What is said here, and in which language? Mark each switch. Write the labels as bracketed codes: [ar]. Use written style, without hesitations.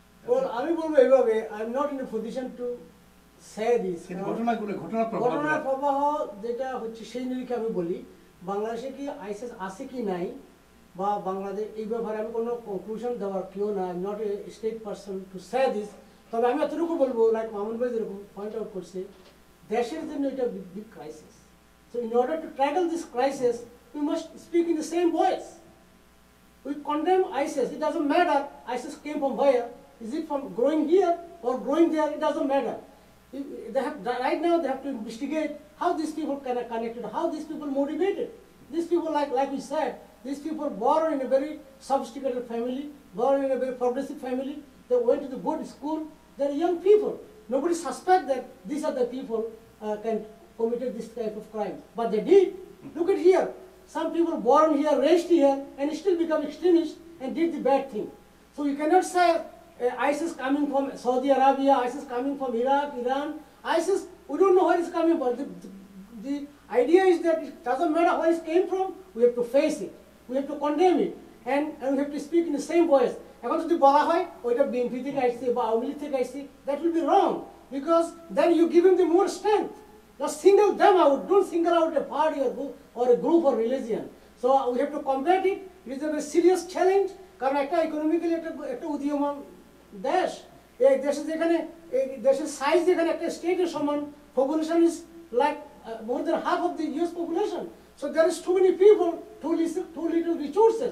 [bn] Well, আমি বলবো এইভাবে, [en] I am not in a position to say this, [bn] ঘটনার প্রবাহ যেটা হচ্ছে সেই নিরিখে আমি বলি, বাংলাদেশে কি আইএসএস আছে কি নাই বা বাংলাদেশ এই ব্যাপারে আমি কোনো কনক্লুশন দেওয়ার কেউ না, I am not a state person to say this. তবে আমি এতটুকু বলবো, [en] like [bn] মামুন ভাই যেরকম [en] Point out করছে, দেশের জন্য এটা big crisis, so in order to tackle this crisis we must speak in the same voice, we condemn ISS, it doesn't matter ISS came from where, is it from growing here or growing there, it doesn't matter, they have right now they have to investigate how these people can connected, how these people motivated, these people like we said, these people born in a very sophisticated family, born in a very progressive family, they went to the good school, they are young people, nobody suspect that these are the people can committed this type of crime, but they did. Look at here, some people born here, raised here and still become extremist and did the bad thing. So you cannot say ISIS coming from Saudi Arabia, ISIS coming from Iraq, Iran, ISIS, we don't know where it's coming from. The idea is that it doesn't matter where it came from, we have to face it, we have to condemn it, and we have to speak in the same voice. [bn] এখন যদি বলা হয় ওইটা BNP থেকে আসছে [en] বা আওয়ামী লীগ থেকে আসছে, that will be wrong, because then you give the more strength, just single them out, don't single out a party or or a group or religion, so we have to combat it, it is a very serious challenge, [bn] কারণ একটা economically একটা উদীয়মান দেশ, এই দেশে যেখানে এই দেশের সাইজ যেখানে একটা স্টেটের সমান, [en] population is like more than half of the US population, so there is too many people, too little resources,